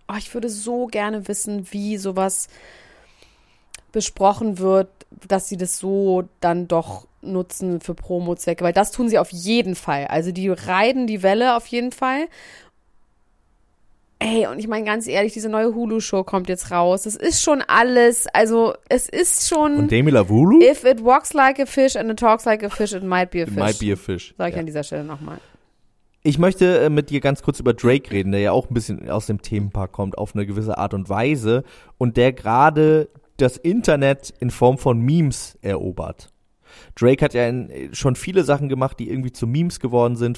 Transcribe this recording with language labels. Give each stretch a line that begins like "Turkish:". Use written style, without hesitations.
German: Oh, ich würde so gerne wissen, wie sowas besprochen wird, dass sie das so dann doch nutzen für Promo-Zwecke, weil das tun sie auf jeden Fall. Also die reiten die Welle auf jeden Fall. Ey, und ich meine ganz ehrlich, diese neue Hulu-Show kommt jetzt raus. Das ist schon alles, also es ist schon... Und Demi Lovato?
English: If it walks like a fish and it talks like a fish, it might be a fish. It might be a fish.
German: Sag ich ja. an dieser Stelle nochmal. Ich möchte mit dir ganz kurz über Drake reden, der ja auch ein bisschen aus dem Themenpark kommt, auf eine gewisse Art und Weise. Und der gerade das Internet in Form von Memes erobert. Drake hat ja schon viele Sachen gemacht, die irgendwie zu Memes geworden sind.